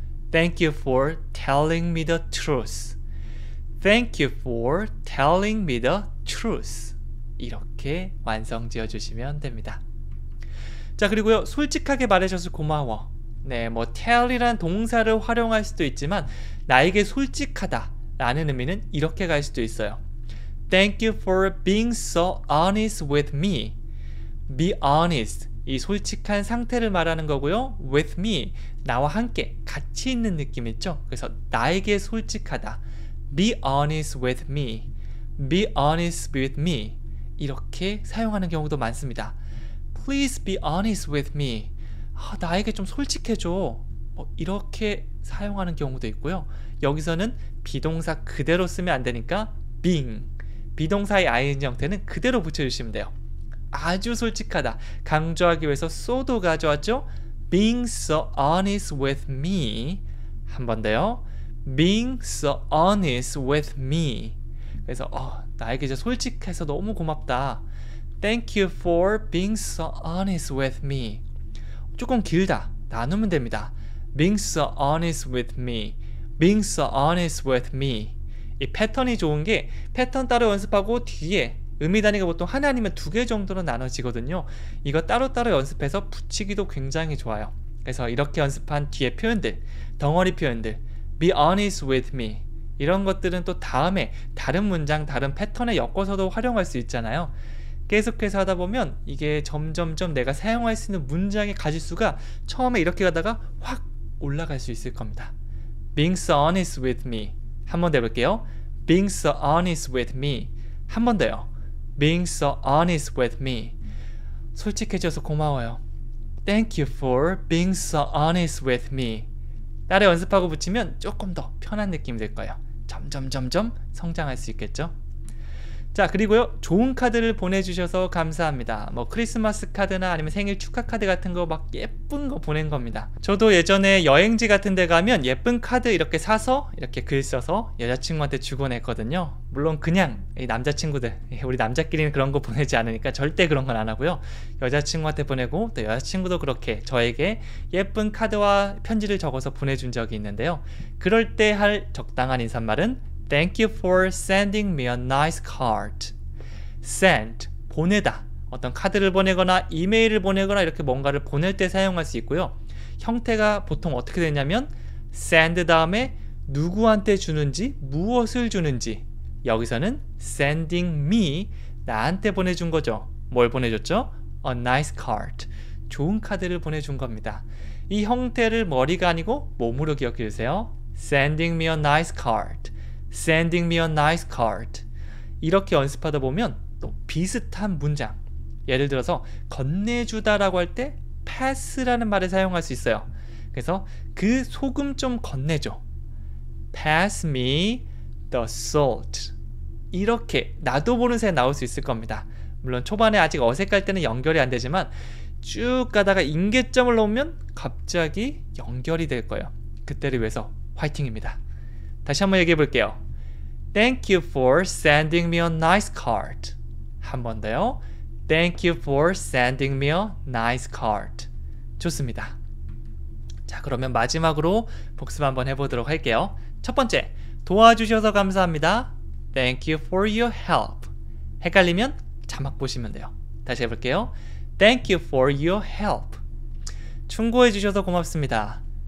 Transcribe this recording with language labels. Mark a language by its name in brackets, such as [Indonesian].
[English] Thank you for telling me the truth. Thank you for telling me the truth. [Korean] 이렇게 완성 지어 주시면 됩니다. 자, 그리고요. 솔직하게 말해줘서 고마워. 네, 뭐 tell이란 동사를 활용할 수도 있지만 나에게 솔직하다라는 의미는 이렇게 갈 수도 있어요. [English] Thank you for being so honest with me. Be honest. [Korean] 이 솔직한 상태를 말하는 거고요. [English] With me. [Korean] 나와 함께, 같이 있는 느낌 있죠? 그래서 나에게 솔직하다. [English] Be honest with me. Be honest with me. [Korean] 이렇게 사용하는 경우도 많습니다. [English] Please be honest with me. [Korean] 나에게 좀 솔직해줘. 뭐 이렇게 사용하는 경우도 있고요. 여기서는 비동사 그대로 쓰면 안 되니까 being. 비동사의 ing 형태는 그대로 붙여주시면 돼요. 아주 솔직하다. 강조하기 위해서 so도 가져왔죠? [English] Being so honest with me. [Korean] 한번 더요. [English] Being so honest with me. [Korean] 그래서, 나에게 이제 솔직해서 너무 고맙다. [English] Thank you for being so honest with me. [Korean] 조금 길다. 나누면 됩니다. [English] Being so honest with me. Being so honest with me. [Korean] 이 패턴이 좋은 게 패턴 따로 연습하고 뒤에 의미 단위가 보통 하나 아니면 두개 정도로 나눠지거든요. 이거 따로따로 연습해서 붙이기도 굉장히 좋아요. 그래서 이렇게 연습한 뒤에 표현들, 덩어리 표현들, [English] be honest with me. [Korean] 이런 것들은 또 다음에 다른 문장, 다른 패턴에 엮어서도 활용할 수 있잖아요. 계속해서 하다 보면 이게 점점점 내가 사용할 수 있는 문장의 가짓수가 처음에 이렇게 가다가 확 올라갈 수 있을 겁니다. [English] Being so honest with me. [Korean] 한번더 해볼게요. [English] Being so honest with me. [Korean] 한번 더요. [English] Being so honest with me. [Korean] 솔직해져서 고마워요. [English] Thank you for being so honest with me. [Korean] 따라 연습하고 붙이면 조금 더 편한 느낌이 될 거예요. 점점점점 성장할 수 있겠죠? 자, 그리고요. 좋은 카드를 보내주셔서 감사합니다. 뭐 크리스마스 카드나 아니면 생일 축하 카드 같은 거막 예쁜 거 보낸 겁니다. 저도 예전에 여행지 같은 데 가면 예쁜 카드 이렇게 사서 이렇게 글 써서 여자친구한테 주곤 했거든요. 물론 그냥 남자친구들, 우리 남자끼리는 그런 거 보내지 않으니까 절대 그런 건안 하고요. 여자친구한테 보내고 또 여자친구도 그렇게 저에게 예쁜 카드와 편지를 적어서 보내준 적이 있는데요. 그럴 때할 적당한 인사말은 [English] Thank you for sending me a nice card. [Korean] Send, 보내다. 어떤 카드를 보내거나 이메일을 보내거나 이렇게 뭔가를 보낼 때 사용할 수 있고요. 형태가 보통 어떻게 되냐면 send 다음에 누구한테 주는지, 무엇을 주는지. 여기서는 sending me, 나한테 보내준 거죠. 뭘 보내줬죠? [English] A nice card. [Korean] 좋은 카드를 보내준 겁니다. 이 형태를 머리가 아니고 몸으로 기억해 주세요. [English] Sending me a nice card. Sending me a nice card. [Korean] 이렇게 연습하다 보면 또 비슷한 문장. 예를 들어서 건네주다라고 할 때 pass라는 말을 사용할 수 있어요. 그래서 그 소금 좀 건네줘. [English] Pass me the salt. [Korean] 이렇게 나도 모르는 새 나올 수 있을 겁니다. 물론 초반에 아직 어색할 때는 연결이 안 되지만 쭉 가다가 임계점을 놓으면 갑자기 연결이 될 거예요. 그때를 위해서 화이팅입니다. 다시 한번 얘기해 볼게요. [English] Thank you for sending me a nice card. [Korean] 한 번 더요. [English] Thank you for sending me a nice card. [Korean] 좋습니다. 자, 그러면 마지막으로 복습 한번 해보도록 할게요. 첫 번째, 도와주셔서 감사합니다. [English] Thank you for your help. [Korean] 헷갈리면 자막 보시면 돼요. 다시 해볼게요. [English] Thank you for your help. [Korean] 충고해 주셔서 고맙습니다.